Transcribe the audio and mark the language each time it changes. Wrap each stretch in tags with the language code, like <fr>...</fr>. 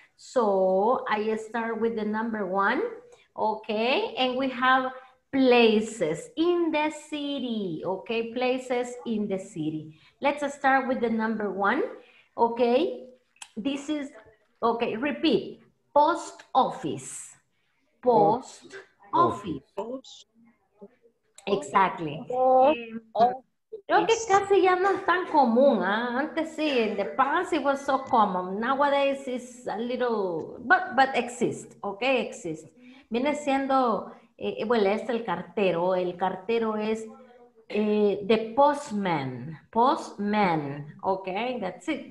<en>So I start with the number one, okay, and we have places in the city, okay, places in the city. Let's start with the number one, okay? This is, okay, repeat, post office, post office. Exactly.</en> <es>Creo que casi ya no es tan común. Antes sí,</es> <en>in the past it was so common. Nowadays it's a little, but exists, okay, exists.</en> <es>Viene siendo, bueno, es el cartero es</es> <en>the postman,</en> <es>okay,</es> <en>that's it.</en>